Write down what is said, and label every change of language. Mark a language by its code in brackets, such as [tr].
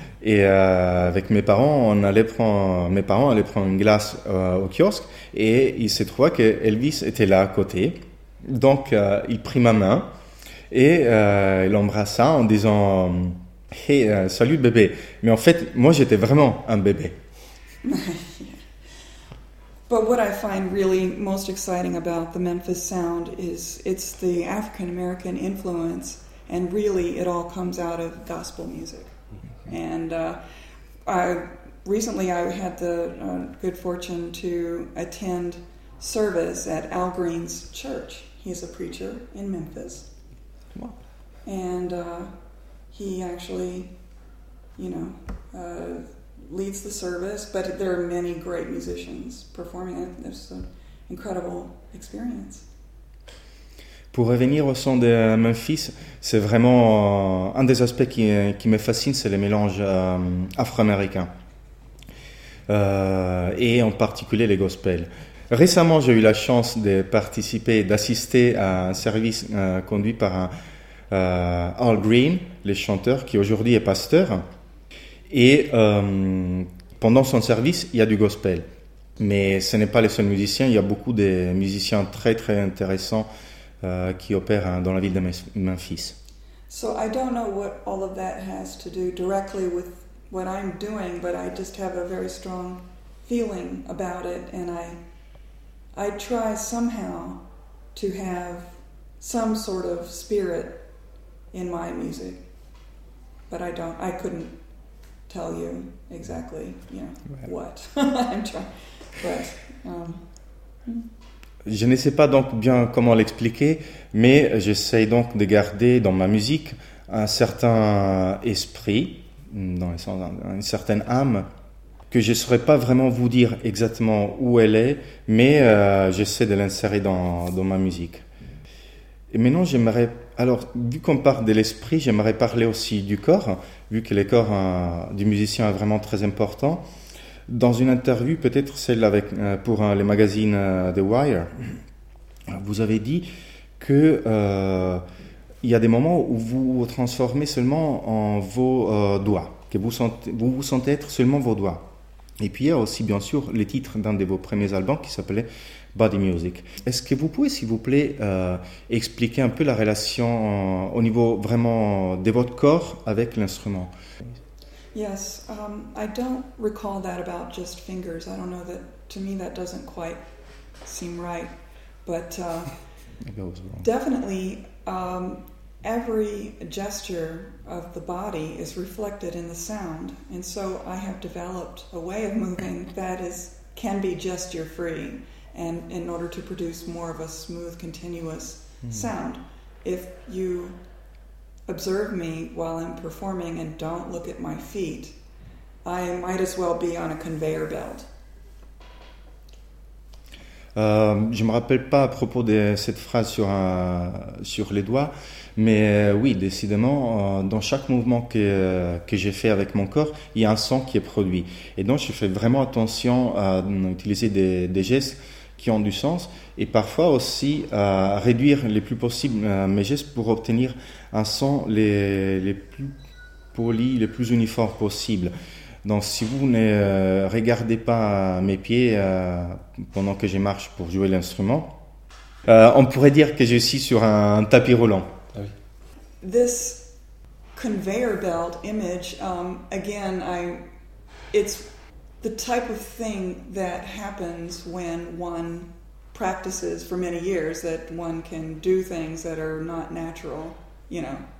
[fr] Et avec mes parents, mes parents allaient prendre une glace au kiosque. Et il s'est trouvé que Elvis était là à côté. Donc, il prit ma main et il l'embrassa en disant... Hey, salut bébé. Mais en fait, moi j'étais vraiment un bébé. [en] But what I find really most exciting about the Memphis sound is it's the African American influence, and really it all comes out of gospel music. Mm-hmm. And I recently had the good fortune to attend service at Al Green's church. He's a preacher in Memphis. And he actually, you know, leads the service, but there are many great musicians performing. It's an incredible experience. [fr] Pour revenir au son de Memphis, c'est vraiment un des aspects qui me fascine, c'est le mélange afro-américain, et en particulier les gospels. Récemment, j'ai eu la chance de participer, d'assister à un service conduit par Al Green, le chanteur qui aujourd'hui est pasteur, et pendant son service, il y a du gospel, mais ce n'est pas les seuls musiciens. Il y a beaucoup de musiciens très très intéressants qui opèrent dans la ville de Memphis. [en] So I don't know what all of that has to do directly with what I'm doing, but I just have a very strong feeling about it, and I try somehow to have some sort of spirit in my music, but I couldn't tell you exactly, you know, ouais. What I'm trying, but [fr] je ne sais pas donc bien comment l'expliquer, mais j'essaie donc de garder dans ma musique un certain esprit dans le sens d'une certaine âme que je ne saurais pas vraiment vous dire exactement où elle est, mais j'essaie de l'insérer dans ma musique. Et maintenant, j'aimerais... Alors, vu qu'on parle de l'esprit, j'aimerais parler aussi du corps, vu que le corps du musicien est vraiment très important. Dans une interview, peut-être celle avec, pour les magazines The Wire, vous avez dit que... il y a des moments où vous vous transformez seulement en vos doigts, que vous vous sentez être seulement vos doigts. Et puis il y a aussi, bien sûr, le titre d'un de vos premiers albums qui s'appelait Body Music. Est-ce que vous pouvez, s'il vous plaît, expliquer un peu la relation au niveau vraiment de votre corps avec l'instrument? [en] Yes, I don't recall that about just fingers. I don't know that, to me, that doesn't quite seem right. But definitely... every gesture of the body is reflected in the sound, and so I have developed a way of moving that is can be gesture free, and in order to produce more of a smooth, continuous sound. If you observe me while I'm performing and don't look at my feet, I might as well be on a conveyor belt. [fr] Je ne me rappelle pas à propos de cette phrase sur les doigts, mais oui, décidément, dans chaque mouvement que j'ai fait avec mon corps, il y a un son qui est produit. Et donc, je fais vraiment attention à utiliser des gestes qui ont du sens et parfois aussi à réduire le plus possible mes gestes pour obtenir un son le plus poli, le plus uniforme possible. Donc, si vous ne regardez pas mes pieds pendant que je marche pour jouer l'instrument, on pourrait dire que je suis sur un tapis roulant. Ah oui. [en] This conveyor belt image, again, it's the type of thing that happens when one practices for many years, that one can do things that are not natural, you know.